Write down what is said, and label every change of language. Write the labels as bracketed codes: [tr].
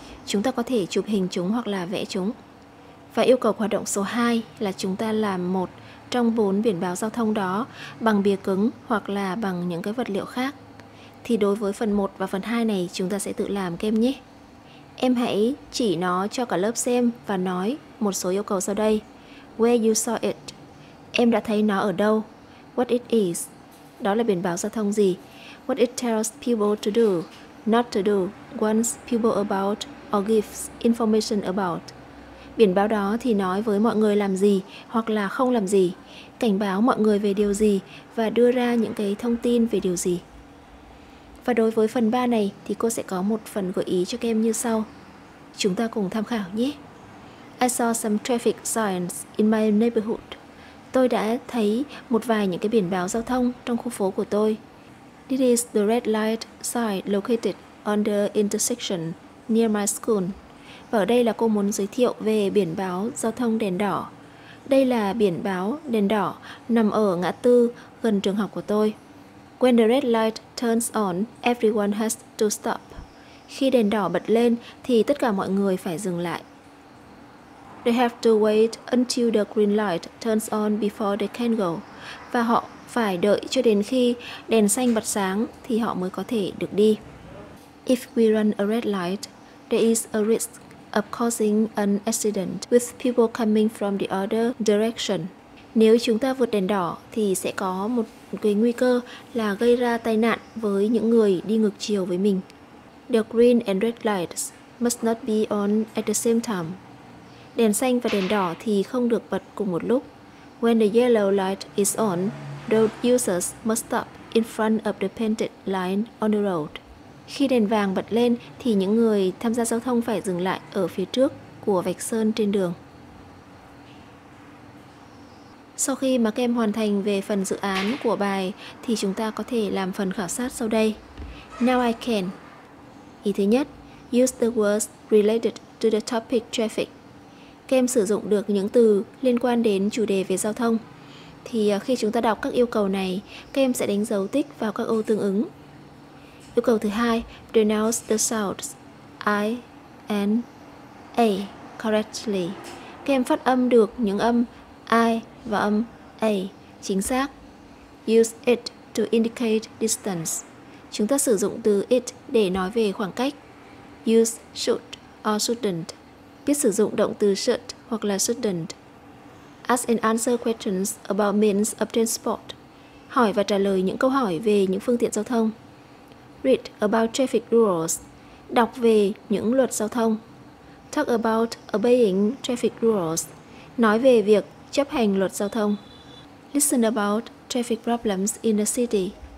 [vi] Chúng ta có thể chụp hình chúng hoặc là vẽ chúng. Và yêu cầu của hoạt động số 2 là chúng ta làm một trong 4 biển báo giao thông đó bằng bìa cứng hoặc là bằng những cái vật liệu khác. Thì đối với phần 1 và phần 2 này chúng ta sẽ tự làm các em nhé. Em hãy chỉ nó cho cả lớp xem và nói một số yêu cầu sau đây. [en] Where you saw it? [vi] Em đã thấy nó ở đâu? [en] What it is? [vi] Đó là biển báo giao thông gì? [en] What it tells people to do, not to do, warns people about, or gives information about? [vi] Biển báo đó thì nói với mọi người làm gì hoặc là không làm gì, cảnh báo mọi người về điều gì và đưa ra những cái thông tin về điều gì. Và đối với phần 3 này thì cô sẽ có một phần gợi ý cho các em như sau. Chúng ta cùng tham khảo nhé. [en] I saw some traffic signs in my neighborhood. [vi] Tôi đã thấy một vài những cái biển báo giao thông trong khu phố của tôi. [en] This is the red light sign located on the intersection near my school. [vi] Và ở đây là cô muốn giới thiệu về biển báo giao thông đèn đỏ. Đây là biển báo đèn đỏ nằm ở ngã tư gần trường học của tôi. [en] When the red light turns on, everyone has to stop. [vi] Khi đèn đỏ bật lên thì tất cả mọi người phải dừng lại. [en] They have to wait until the green light turns on before they can go. [vi] Và họ phải đợi cho đến khi đèn xanh bật sáng thì họ mới có thể được đi. [en] If we run a red light, there is a risk of causing an accident with people coming from the other direction. [vi] Nếu chúng ta vượt đèn đỏ thì sẽ có một cái nguy cơ là gây ra tai nạn với những người đi ngược chiều với mình. [en] The green and red lights must not be on at the same time. [vi] Đèn xanh và đèn đỏ thì không được bật cùng một lúc. [en] When the yellow light is on, road users must stop in front of the painted line on the road. [vi] Khi đèn vàng bật lên thì những người tham gia giao thông phải dừng lại ở phía trước của vạch sơn trên đường. Sau khi mà các em hoàn thành về phần dự án của bài thì chúng ta có thể làm phần khảo sát sau đây. [en] Now I can. [vi] Ý thứ nhất, [en] use the words related to the topic traffic. [vi] Các em sử dụng được những từ liên quan đến chủ đề về giao thông. Thì khi chúng ta đọc các yêu cầu này, các em sẽ đánh dấu tích vào các ô tương ứng. Yêu cầu thứ hai, [en] pronounce the sounds I and A correctly. [vi] Các em phát âm được những âm I và âm A chính xác. [en] Use it to indicate distance. [vi] Chúng ta sử dụng từ it để nói về khoảng cách. [en] Use should or shouldn't. [vi] Biết sử dụng động từ should hoặc là shouldn't. [en] Ask and answer questions about means of transport. [vi] Hỏi và trả lời những câu hỏi về những phương tiện giao thông. [en] Read about traffic rules. [vi] Đọc về những luật giao thông. [en] Talk about obeying traffic rules. [vi] Nói về việc chấp hành luật giao thông. [en] Listen about traffic problems in the city.